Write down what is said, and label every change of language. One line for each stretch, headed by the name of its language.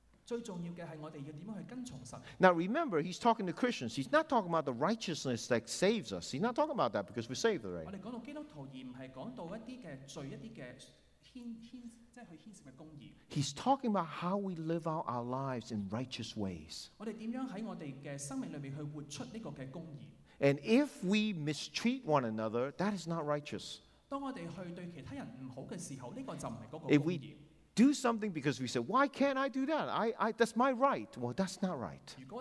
Chinese: 最重要的是我们要怎样去跟从神。
English: Now remember, he's talking to Christians. He's not talking about the righteousness that saves us. He's not talking about that because we're saved already.
Chinese: 我们讲到基督徒，而不是讲到一些的罪，一些的牵即是牵涉的公义。
English: He's talking about how we live out our lives in righteous ways.
Chinese: 我们怎样在我们的生命里面去活出这个公义。
English: And if we mistreat one another, that is not righteous. If we do something because we say, why can't I do that? I, that's my right. Well, that's not right.